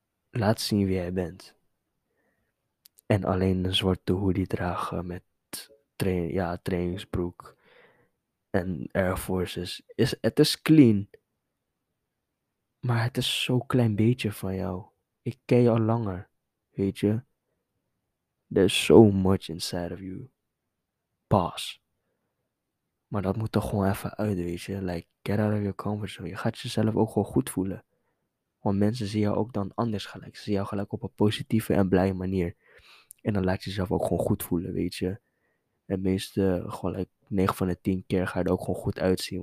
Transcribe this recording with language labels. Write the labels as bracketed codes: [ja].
[nl] Laat zien wie jij bent. En alleen een zwarte hoodie dragen met trainingsbroek en Air Forces. Het is clean. Maar het is zo klein beetje van jou. Ik ken je al langer. Weet je? [en] There's so much inside of you. Pause. [nl] Maar dat moet toch gewoon even uit, weet je? Like, [en] get out of your comfort zone. [nl] Je gaat jezelf ook gewoon goed voelen. Want mensen zien jou ook dan anders gelijk. Ze zien jou gelijk op een positieve en blije manier. En dan laat je jezelf ook gewoon goed voelen, weet je. En meeste, gewoon like 9 van de 10 keer ga je er ook gewoon goed uitzien.